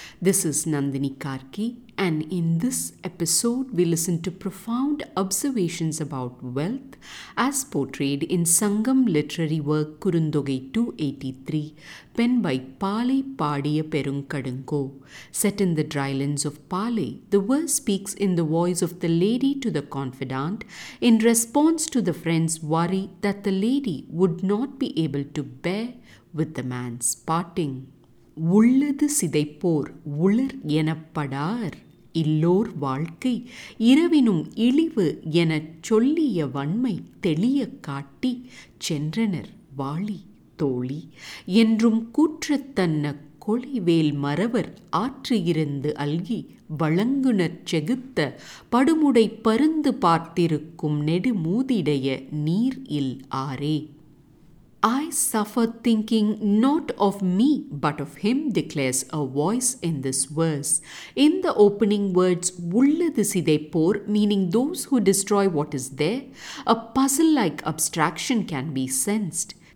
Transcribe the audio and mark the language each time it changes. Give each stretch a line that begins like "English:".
English: This is Nandini Karki, and in this episode we listen to profound observations about wealth as portrayed in Sangam literary work Kurundogai 283, penned by Palai Paadiya Perunkadungo. Set in the drylands of Palai, the verse speaks in the voice of the lady to the confidant in response to the friend's worry that the lady would not be able to bear with the man's parting.
Tamil: உள்ளது சிதைப்போர் உளர் எனப்படார் இல்லோர் வாழ்க்கை இரவினும் இழிவு எனச் சொல்லிய வன்மை தெளிய காட்டி சென்றனர் வாளி தோழி என்றும் கூற்றத்தன்ன கொளிவேல் மறவர் ஆற்றியிருந்து அல்கி வழங்குனர் செகுத்த படுமுடை பருந்து பார்த்திருக்கும் நெடுமூதிடைய நீர் இல் ஆரே.
English: I suffer thinking not of me but of him, declares a voice in this verse. In the opening words,
Tamil: ullathu sidaippor,
English: meaning those who destroy what is there, a puzzle-like abstraction can be sensed.